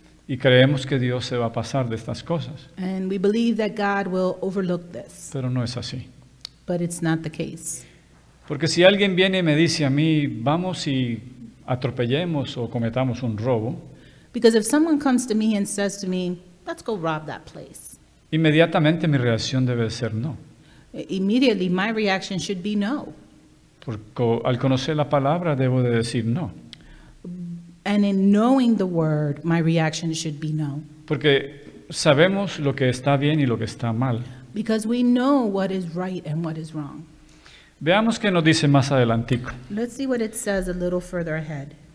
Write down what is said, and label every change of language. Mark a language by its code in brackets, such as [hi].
[es] Y creemos que Dios se va a pasar de estas cosas. [en] And we believe that God will overlook this. [es] Pero no es así. [en] But it's not the case. [es] Porque si alguien viene y me dice a mí, vamos y atropellemos o cometamos un robo. [en] Because if someone comes to me and says to me, let's go rob that place. [es] Inmediatamente mi reacción debe ser no. [en] Immediately my reaction should be no. [es] Porque al conocer la palabra debo de decir no. [en] And in knowing the word, my reaction should be no. [es] Porque sabemos lo que está bien y lo que está mal. [en] Because we know what is right and what is wrong. [es] Veamos qué nos dice más adelantico. [en] Let's see what it says a little further ahead.